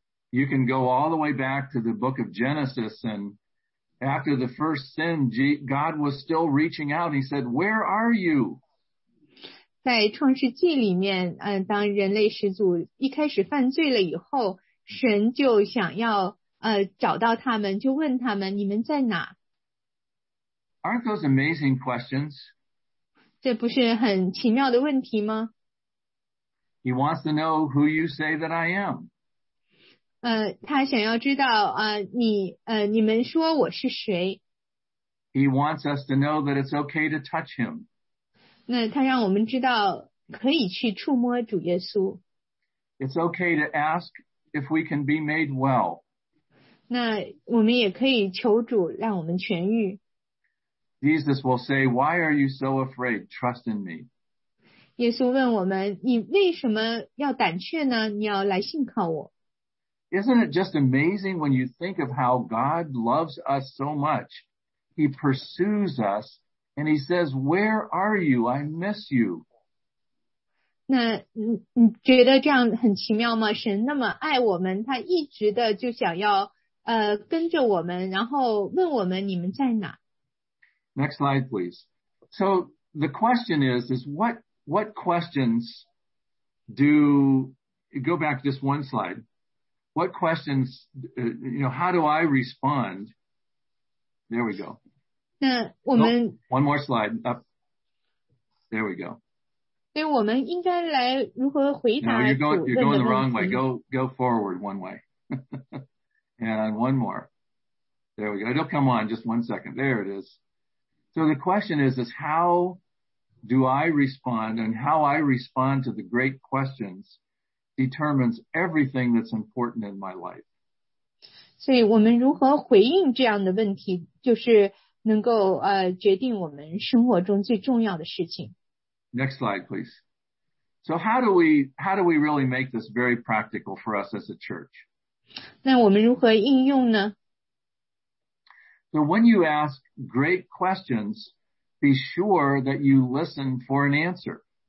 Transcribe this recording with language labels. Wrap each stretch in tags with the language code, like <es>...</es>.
<en>You can go all the way back to the book of Genesis and... After the first sin, God was still reaching out. He said, where are you?</en> <zh>在创世纪里面，当人类始祖一开始犯罪了以后，神就想要找到他们，就问他们，你们在哪？</zh> <en>Aren't those amazing questions?</en> <zh>这不是很奇妙的问题吗？</zh> <en>He wants to know who you say that I am.</en> <zh>他想要知道你们说我是谁。</zh> <en>He wants us to know that it's okay to touch him.</en> <zh>那他让我们知道可以去触摸主耶稣。</zh> <en>It's okay to ask if we can be made well.</en> <zh>那我们也可以求主让我们痊愈。</zh> <en>Jesus will say, why are you so afraid? Trust in me.</en> <zh>耶稣问我们, 你为什么要胆怯呢? 你要来信靠我。</zh> <en>Isn't it just amazing when you think of how God loves us so much? He pursues us and he says, where are you? I miss you.</en> <zh>那你觉得这样很奇妙吗? 神那么爱我们, 他一直的就想要, 跟着我们, 然后问我们, 你们在哪?</zh> <en>Next slide, please. So the question is what questions do, go back just one slide. What questions, how do I respond? There we go. One more slide. Up. There we go. No, you're going the wrong way. Go forward one way. And one more. There we go. It'll come on just one second. There it is. So the question is how do I respond, and how I respond to the great questions determines everything that's important in my life.</en> <zh>所以我们如何回应这样的问题，就是能够 决定我们生活中最重要的事情。</zh> <en>Next slide, please. So how do we really make this very practical for us as a church?</en> <zh>那我们如何应用呢？</zh> <en>So when you ask great questions, be sure that you listen for an answer.</en>